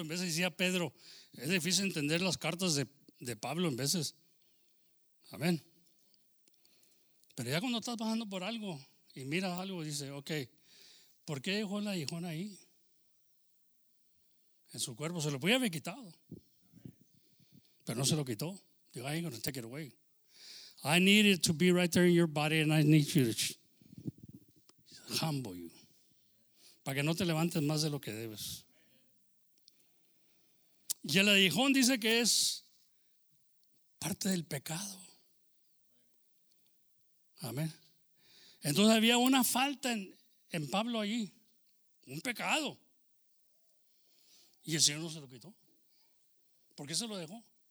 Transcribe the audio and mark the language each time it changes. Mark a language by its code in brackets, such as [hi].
[es] En veces decía Pedro, es difícil entender las cartas de Pablo en veces. Amén. Pero ya cuando estás pasando por algo y miras algo, dice, ok, ¿por qué dejó el aguijón ahí? En su cuerpo, se lo podía haber quitado. Pero no se lo quitó. Dijo, [en] I ain't gonna take it away. I need it to be right there in your body and I need you to humble you. [es] Para que no te levantes más de lo que debes. Y el aguijón dice que es parte del pecado. Amén. Entonces había una falta en Pablo allí. Un pecado. Y el Señor no se lo quitó. ¿Por qué se lo dejó?